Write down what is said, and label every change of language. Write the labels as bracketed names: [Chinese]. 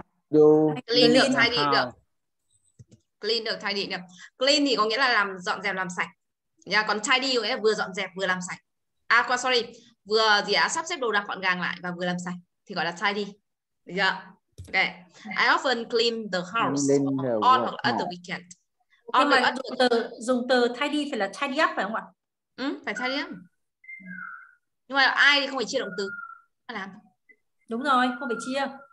[English] Do [Vietnamese] clean được, tidy được. Clean được, tidy được. Clean thì có nghĩa là làm dọn dẹp, làm sạch. Yeah, còn tidy có nghĩa là vừa dọn dẹp vừa làm sạch. À, qua sorry, vừa gì ạ? Sắp xếp đồ đạc gọn gàng lại và vừa làm sạch thì gọi là tidy. Yeah. Okay. [English] I often clean the house on or at the weekend. [Vietnamese] Nhưng mà dùng từ tidy phải là tidy up phải không ạ? Ừ, phải tidy up. Nhưng mà ai thì không phải chia động từ. Làm. Đúng rồi, không phải chia.